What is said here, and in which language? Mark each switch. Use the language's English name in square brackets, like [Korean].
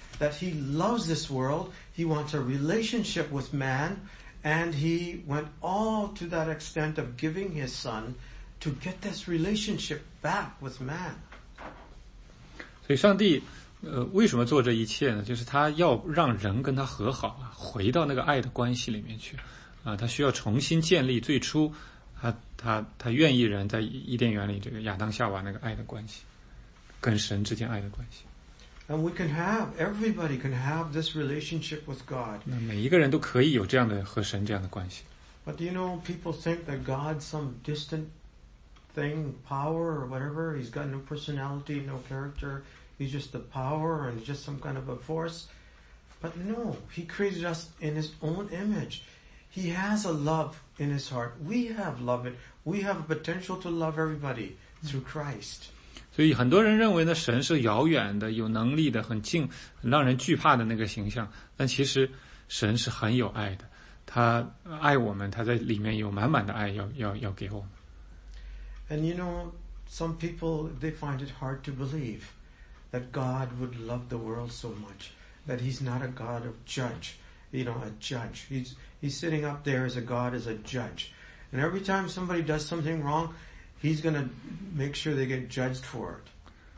[English] that he loves this world, he wants a relationship with man, and he went all to that extent of giving his son to get this relationship back with man. [Chinese] 所以上帝为什么做这一切呢？就是他要让人跟他和好，回到那个爱的关系里面去他需要重新建立最初他愿意人在伊甸园里这个亚当夏娃那个爱的关系，跟神之间爱的关系。 [English] And we can have, everybody can have this relationship with God. [Chinese] 那每一个人都可以有这样的和神这样的关系。 [English] But you know, people think that God's some distant thing, power or whatever, he's got no personality, no character, he's just the power and just some kind of a force. But no, he created us in his own image. He has a love in his heart. We have love it. We have a potential to love everybody through Christ. [Chinese] 所以很多人认为呢，神是遥远的、有能力的、很近、很让人惧怕的那个形象。但其实神是很有爱的，他爱我们，他在里面有满满的爱要给我们。 [English] And you know, some people, they find it hard to believe that God would love the world so much, that he's not a God of judge, you know, a judge. He's sitting up there as a God, as a judge. And every time somebody does something wrong, he's going to make sure they get judged for it.